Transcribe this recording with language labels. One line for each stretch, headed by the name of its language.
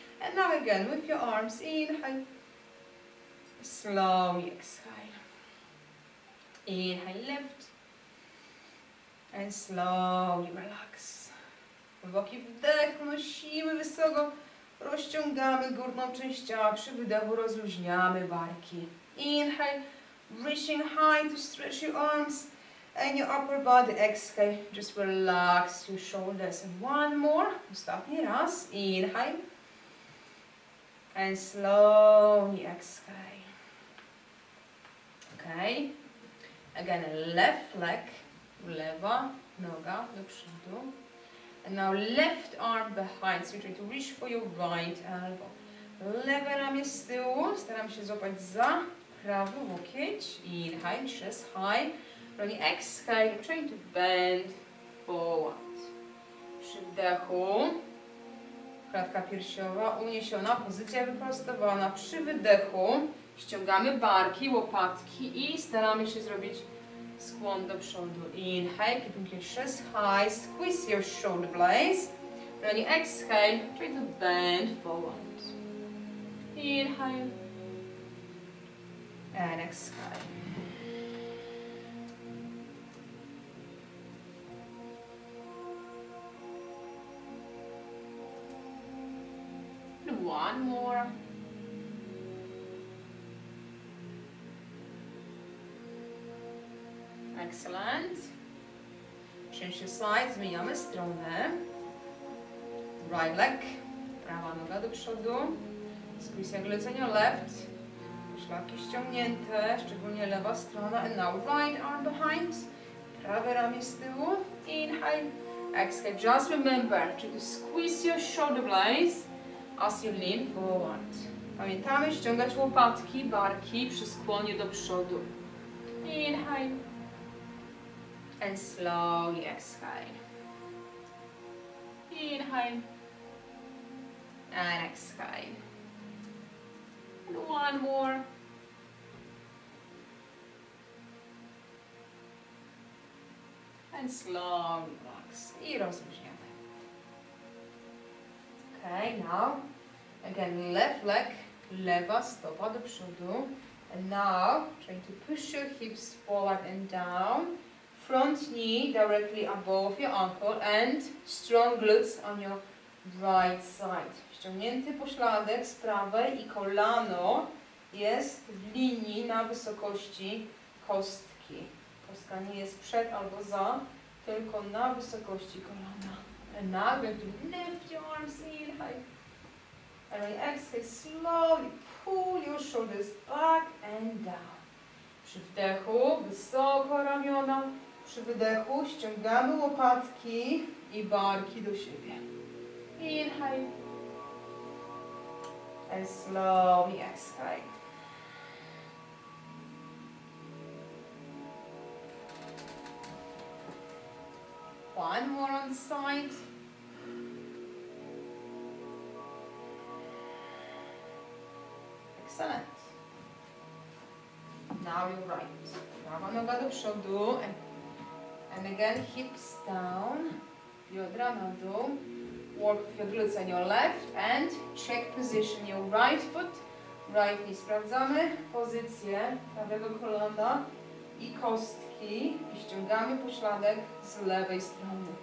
English: And now again with your arms, inhale. Slowly exhale. Inhale, lift. And slowly relax.
Polish: Głęboki wdech, nosimy wysoko. Rozciągamy górną część ciała, przy wydechu rozluźniamy barki.
English: Inhale. Reaching high to stretch your arms and your upper body. Exhale, just relax your shoulders. And one more.
Polish: Ostatni raz.
English: Inhale. And slowly exhale. Okay. Again, left leg.
Polish: Lewa noga do przodu.
English: And now left arm behind. So you try to reach for your right elbow.
Polish: Lewe ramię z tyłu. Staram się złapać za. Prawo łokieć,
English: inhale, chest high,
Polish: ramię
English: exhale, trying to bend forward.
Polish: Przy wdechu, klatka piersiowa uniesiona, pozycja wyprostowana. Przy wydechu ściągamy barki, łopatki i staramy się zrobić skłon do przodu.
English: Inhale, keeping your chest high, squeeze your shoulder blades.
Polish: Ramię
English: exhale, trying to bend forward. Inhale. And exhale. One more. Excellent. Change your sides,
Polish: zmieniamy stronę.
English: Right leg,
Polish: prawa noga do przodu.
English: Squeeze your glutes on your left.
Polish: Szlaki ściągnięte, szczególnie lewa strona.
English: And now right arm behind.
Polish: Prawe ramię z tyłu.
English: Inhale. Exhale. Just remember to squeeze your shoulder blades as you lean forward.
Polish: Pamiętamy ściągać łopatki, barki przy skłonie do przodu.
English: Inhale. And slowly exhale. Inhale. and exhale. And one more. And slow relax.
Polish: I rozluźniamy.
English: Okay, now again, left leg,
Polish: lewa stopa do przodu.
English: And now, trying to push your hips forward and down. Front knee directly above your ankle and strong glutes on your right side.
Polish: Ściągnięty pośladek z prawej i kolano jest w linii na wysokości kostki. Kostka nie jest przed albo za, tylko na wysokości kolana.
English: And now we're going to lift your arms in high. And we exhale slowly, pull your shoulders back and down.
Polish: Przy wdechu wysoko ramiona. Przy wydechu ściągamy łopatki i barki do siebie.
English: Inhale. And slowly exhale. One more on the side. Excellent. Now you're right.
Polish: Prawa noga do przodu.
English: And again, hips down,
Polish: biodra na dół.
English: Work with your glutes on your left and check position your right foot, right knee.
Polish: Sprawdzamy pozycję prawego kolana i kostki. I ściągamy pośladek z lewej strony.